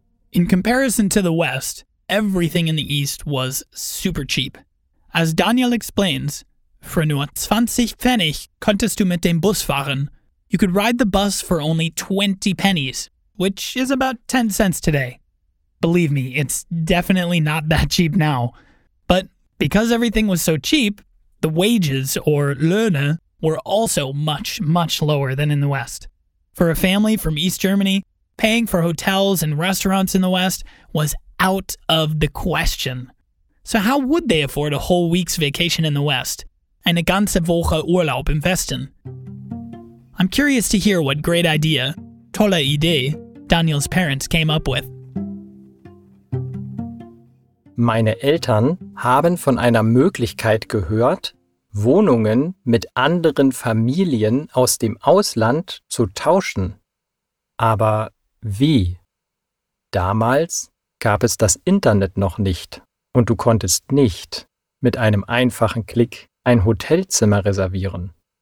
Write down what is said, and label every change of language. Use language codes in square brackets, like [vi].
[en] In comparison to the West, everything in the East was super cheap. As Daniel explains, [de] für nur 20 Pfennig konntest du mit dem Bus fahren. [en] You could ride the bus for only 20 pennies, which is about 10 cents today. Believe me, it's definitely not that cheap now. But because everything was so cheap, the wages, or Löhne, were also much, much lower than in the West. For a family from East Germany, paying for hotels and restaurants in the West was out of the question. So how would they afford a whole week's vacation in the West? [de] Eine ganze Woche Urlaub im Westen. [en] I'm curious to hear what great idea, [de] tolle Idee, [en] Daniel's parents came up with. [de] Meine Eltern haben von einer Möglichkeit gehört, Wohnungen mit anderen Familien aus dem Ausland zu tauschen. Aber wie? Damals gab es das Internet noch nicht und du konntest nicht mit einem einfachen Klick ein Hotelzimmer reservieren.